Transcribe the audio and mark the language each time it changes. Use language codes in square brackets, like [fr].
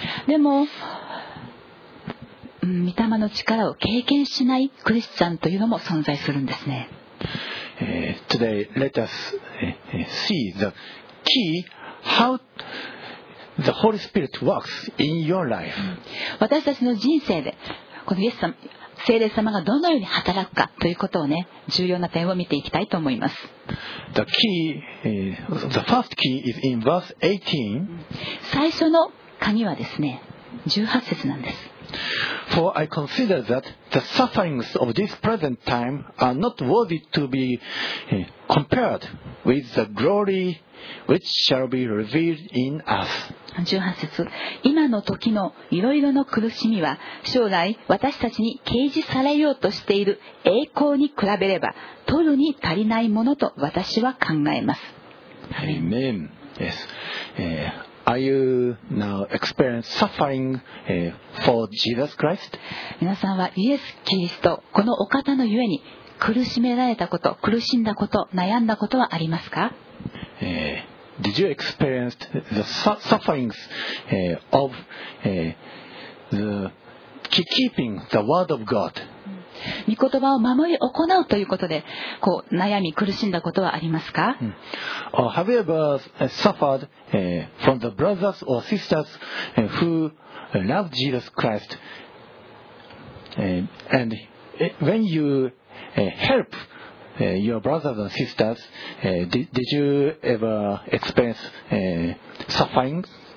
[ja] でも、御霊の力を経験しないクリスチャンというのも存在するんですね。 [en] Today, let us see the key how the Holy Spirit works in your life. [ja] 私たちの人生でこのイエス様、聖霊様がどのように働くかということをね、重要な点を見ていきたいと思います。 [en] The key, the first key is in verse 18. [ja] 最初の鍵はですね、18節なんです。 [en] For I consider that the sufferings of this present time are not worthy to be compared with the glory which shall be revealed in us. [ja] 18節。今の時のいろいろの苦しみは将来私たちに掲示されようとしている栄光に比べれば取るに足りないものと私は考えます。 [en] Amen. Yes. Are you now experience suffering, for Jesus Christ? [ja] 皆さんはイエス・キリスト、このお方のゆえに苦しめられたこと、苦しんだこと、悩んだことはありますか？ [en] Did you experience the sufferings, of, the keeping the word of God? [ja] 御言葉を守り行うということでこう悩み苦しんだことはありますか？ [en] Or have you ever suffered, from the brothers or sisters, who love Jesus Christ, and when you, help, your brothers and sisters, did you ever experience, sufferings?